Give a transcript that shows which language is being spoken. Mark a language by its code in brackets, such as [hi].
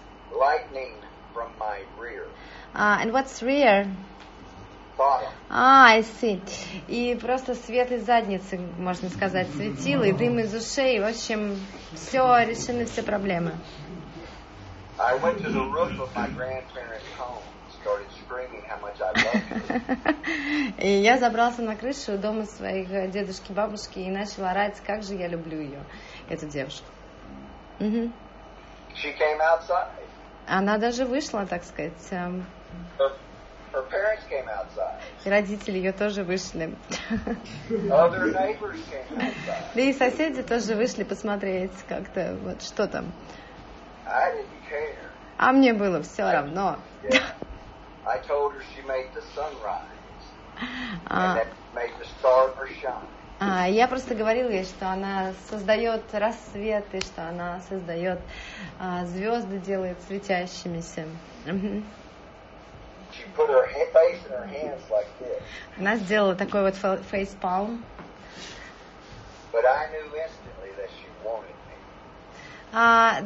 [en] Lightning from my rear. And what's rear? Bottom. I see. [ru] И просто свет из задницы, можно сказать, светило, и дым из ушей. В общем, все решены, все проблемы. [en] I went to the roof of my grandparents' home, started screaming how much I loved her. [ru] И я забрался на крышу дома своих дедушки, бабушки и начал орать, как же я люблю ее, эту девушку. [en] She came outside. [ru] Она даже вышла, так сказать. [en] Her parents came outside. [ru] И родители ее тоже вышли. [en] Other neighbors came outside. [ru] Да и соседи тоже вышли посмотреть как-то, вот что там. [en] I didn't care. [ru] А мне было все равно. [en] Yeah. I told her she made the sun rise. And that made the star shine. [ru] Я просто говорила ей, что она создает рассветы, что она создает звезды, делает светящимися. [en] She put her face in her hands like this. [ru] Она сделала такой вот фейспалм. [en] But I knew instantly that she wanted me.